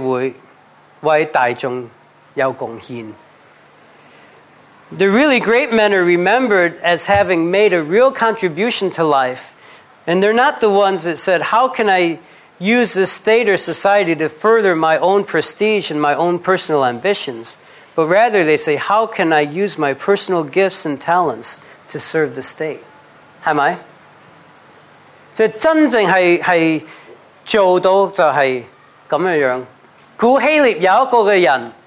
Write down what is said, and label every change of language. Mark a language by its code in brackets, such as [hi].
[zh] 不是记得那些就是利用社会达到自己的目标，反而记得那些就是服务社会，为大众有贡献。 [en] The really great men are remembered as having made a real contribution to life. And they're not the ones that said, how can I use this state or society to further my own prestige and my own personal ambitions? But rather they say, how can I use my personal gifts and talents to serve the state? Am I? [zh] 这真正是做到就是这样。